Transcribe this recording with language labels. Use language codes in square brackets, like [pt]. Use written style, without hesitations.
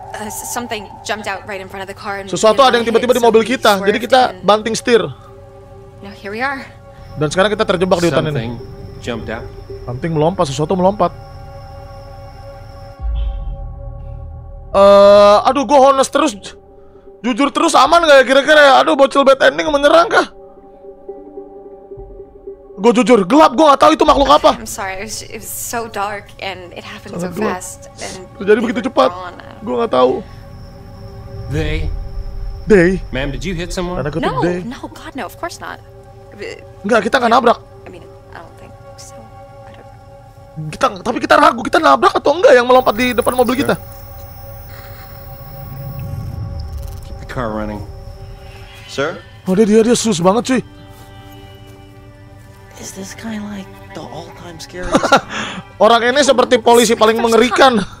[en] Something jumped out right in front of the car. [id] Sesuatu ada yang tiba-tiba di mobil kita. Jadi kita banting setir. [en] Now here we are. [id] Dan sekarang kita terjebak di hutan ini. [en] Something jumped out. [id] Banting melompat, sesuatu melompat. Aduh, gua honest terus. Jujur terus aman enggak ya kira-kira ya? Aduh, bocil bad ending menyerang kah? Gua jujur, gelap, gua enggak tahu itu makhluk apa. [en] I'm sorry, it was so dark and it happened so fast and [id] terjadi begitu cepat. Gua enggak tahu. [en] They. Ma'am, did you hit someone? No, they. No, god no, of course not. [id] Enggak, kita enggak nabrak. [en] I mean, I don't think so. I don't. [id] Kita, tapi kita ragu, kita nabrak atau enggak yang melompat di depan mobil kita. [en] Keep the car running. Sir? [id] Oh, dia sus banget, cuy. [en] Is this kind like the all-time scariest? [id] Orang ini seperti polisi paling mengerikan.